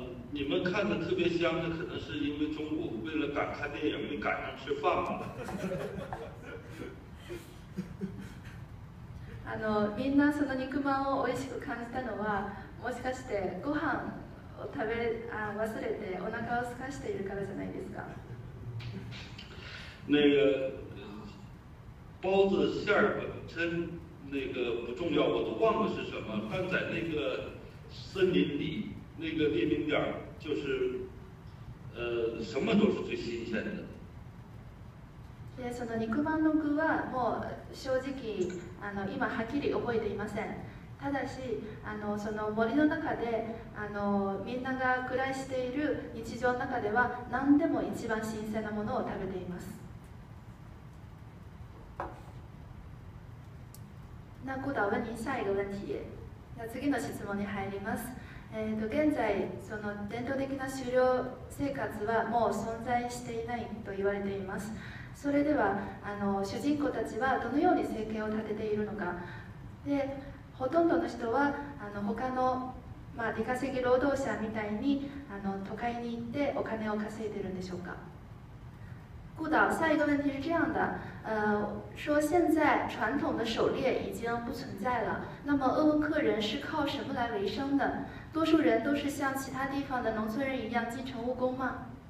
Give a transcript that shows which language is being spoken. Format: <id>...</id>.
<zh>你们看的特别香的，可能是因为中午为了赶看电影，没赶上吃饭吧。</zh> <ja>みんなその肉まんを美味しく感じたのは、もしかしてご飯を忘れてお腹を空かしているからじゃないですか？</ja> <zh>那个包子馅儿本身那个不重要，我都忘了是什么。但在那个森林里，那个黎明点儿，就是什么都是最新鲜的。</zh> <ja>で、その肉まんの具はもう正直今はっきり覚えていません。ただし、その森の中でみんなが暮らしている日常の中では何でも一番新鮮なものを食べています。</ja> <zh>那顾导问您下一个问题。</zh> <ja>那次の質問に入ります。現在その伝統的な狩猟生活はもう存在していないと言われています。それでは主人公たちはどのように生計を立てているのか。で、ほとんどの人は他の、出稼ぎ労働者みたいに都会に行ってお金を稼いでいるんでしょうか。</ja> <zh>顾导，下一个问题是这样的，说现在传统的狩猎已经不存在了，那么鄂温克人是靠什么来维生的？多数人都是像其他地方的农村人一样进城务工吗？</zh>